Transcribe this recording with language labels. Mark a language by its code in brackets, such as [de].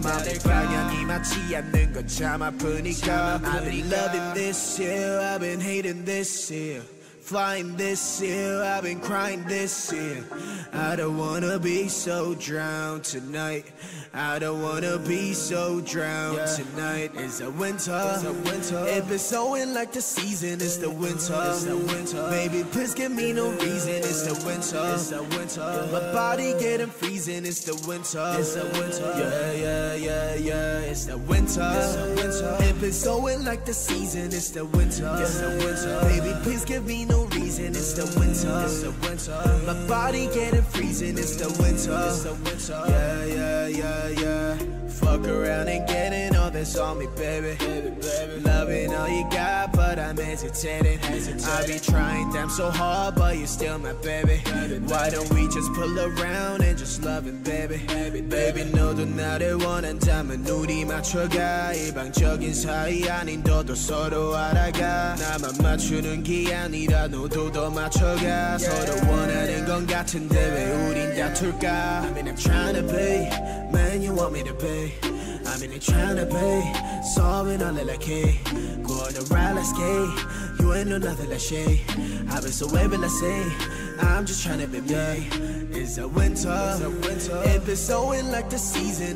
[ko] 맘의 방향이 맞지 않는 건 참 아프니까. [en] I've been loving this year, I've been hating this year. Flying this year, I've been crying this year. I don't wanna be so drowned tonight. I don't wanna be so drowned tonight. It's a winter, episode like the season. It's the winter, baby, please give me no reason. It's the winter, my body getting freezing. It's the winter, it's the winter, episode like the season. It's the winter, baby, please give me no reason. Reason, it's the winter, my body getting freezing. It's the winter, fuck around and getting all this on me, baby. Loving all you got, but I'm hesitating. I be trying damn so hard, but you're still my baby. Why don't we just pull around and just love it, baby? [ko] Baby, 너도 나를 원한다면 눈이 맞춰가. 일방적인 사이 아닌 너도 서로 알아가. 나만 맞추는 게 아니라 너도 더 맞춰가. 서로 원하는 건 같은데 왜 우린 다툴까? [en] I mean, I'm trying to be, man, you want me to be. I mean, I'm trying to be, solving all that I can. Go on the ride, let's skate. You ain't know nothing like shade. I've been so wavy, let's say. I'm just trying to be me. It's a winter, episode like the season.